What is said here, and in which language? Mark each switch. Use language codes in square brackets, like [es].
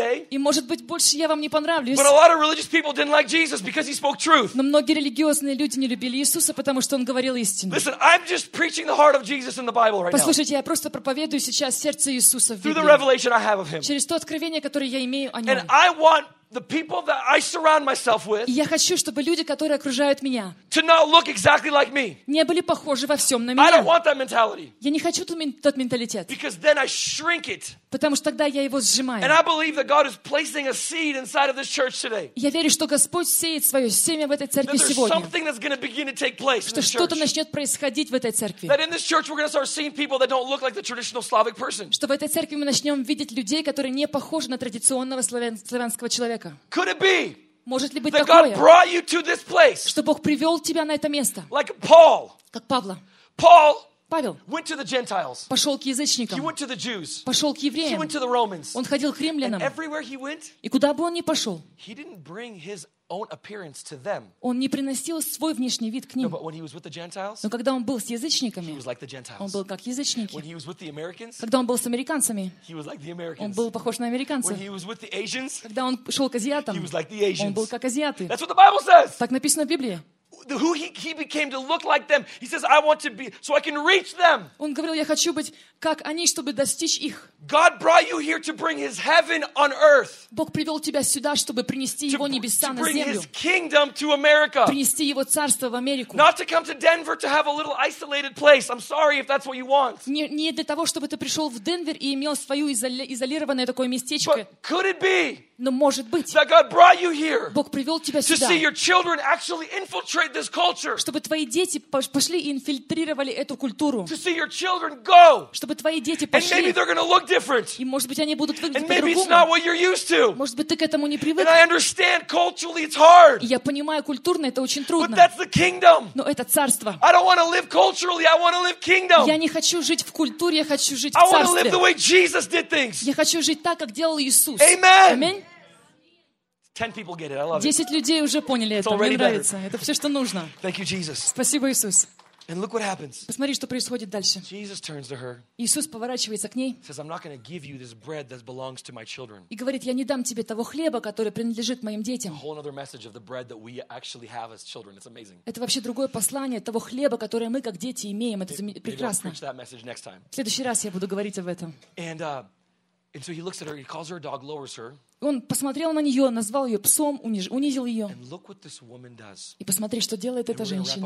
[ru] И может быть, больше я вам не понравлюсь. Но много религиозных людей не любили Иисуса. [en] Because he spoke truth. [ru] Но многие религиозные люди не любили Иисуса, потому что он говорил истину. [en] Listen, I'm just preaching the heart of Jesus in the Bible right now. [ru] Послушайте, я просто проповедую сейчас сердце Иисуса в Библии. [en] Through the revelation I have of him. [ru] Через то откровение, которое я имею о нем. [en] And I want the people that I surround myself with. [ru] Я хочу, чтобы люди, которые окружают меня, [en] to not look exactly like me. [ru] Не были похожи во всем на меня. [en] I don't want that mentality. [ru] Я не хочу тот менталитет. [en] Because then I shrink it. [ru] Потому что тогда я его сжимаю. [en] And I believe that God is placing a seed inside of this church today. [ru] Я верю, что Господь сеет свое семя в этой церкви сегодня. [en] That there's something that's going to begin to take place in this church. [ru] Что что-то начнет происходить в этой церкви. [en] That in this church we're going to start seeing people that don't look like the traditional Slavic person. [ru] Что в этой церкви мы начнем видеть людей, которые не похожи на традиционного славянского человека. [en] Could it be? [ru] Может ли быть [en] that [ru] такое? [en] That God brought you to this place. [ru] Что Бог привёл тебя на это место? [en] Like Paul. [ru] Как Павла. [en] Paul. [ru] Павел. [en] Went to the Gentiles. [ru] Пошёл к язычникам. [en] He went to the Jews. [ru] Пошёл к евреям. [en] He went to the Romans. [ru] Он ходил к римлянам. [en] And everywhere he went. [ru] И куда бы он ни пошёл. [en] He didn't bring his own appearance to them. [ru] Он не приносил свой внешний вид к ним. [en] No, but when he was with the Gentiles. [ru] Но когда он был с язычниками. [en] He was like the Gentiles. [ru] Он был как язычники. [en] When he was with the Americans. [ru] Когда он был с американцами. [en] He was like the Americans. [ru] Он был похож на американцев. [en] When he was with the Asians. [ru] Когда он шел к азиатам. [en] He was like the Asians. [ru] Он был как азиаты. [en] That's what the Bible says. [ru] Так написано в Библии. [en] Who he became to look like them. He says, I want to be so I can reach them. [ru] Он говорил, я хочу быть как они, чтобы достичь их. [en] God brought you here to bring his heaven on earth. [ru] Бог привел тебя сюда, чтобы принести его небеса на землю. [en] To bring his kingdom to America. [ru] Принести его царство в Америку. [en] Not to come to Denver to have a little isolated place. I'm sorry if that's what you want. [ru] Не для того, чтобы ты пришел в Денвер и имел свою изолированное такое местечко. [en] But could it be? [ru] Но может быть. [en] That God brought you here. [ru] Бог привел тебя сюда. [en] To see your children actually infiltrate this culture. [ru] Чтобы твои дети пошли и инфильтрировали эту культуру. [en] To see your children go. [ru] Чтобы твои дети пошли. [en] And maybe they're going to look different. [ru] И может быть они будут выглядеть по-другому. [en] And maybe it's not what you're used to. [ru] Может быть ты к этому не привык. [en] And I understand culturally it's hard. [ru] Я понимаю, культурно это очень трудно. [en] But that's the kingdom. [ru] Но это царство. [en] I don't want to live culturally, I want to live kingdom. [ru] Я не хочу жить в культуре, я хочу жить в царстве. [en] I want to live the way Jesus did things. [ru] Я хочу жить так, как делал Иисус. [en] Amen. Amen. 10 people get it. I love it. [ru] 10 людей уже поняли это. Мне нравится. Это все, что нужно. [en] Thank you, Jesus. [ru] Спасибо, Иисус. [en] And look what happens. [ru] Посмотри, что происходит дальше. [en] Jesus turns to her. [ru] Иисус поворачивается к ней. [en] Says, I'm not going to give you this bread that belongs to my children. [ru] И говорит, я не дам тебе того хлеба, который принадлежит моим детям. [en] A whole other message of the bread that we actually have as children. It's amazing. [ru] Это вообще другое послание того хлеба, которое мы как дети имеем. Это прекрасно. [en] Maybe I'll preach that message next time. [ru] В следующий раз я буду говорить об этом. [en] And so he looks at her, he calls her a dog, lowers her. [ru] Он посмотрел на нее, назвал ее псом, унизил ее. [en] And look what this woman does. [ru] И посмотри, что делает эта женщина.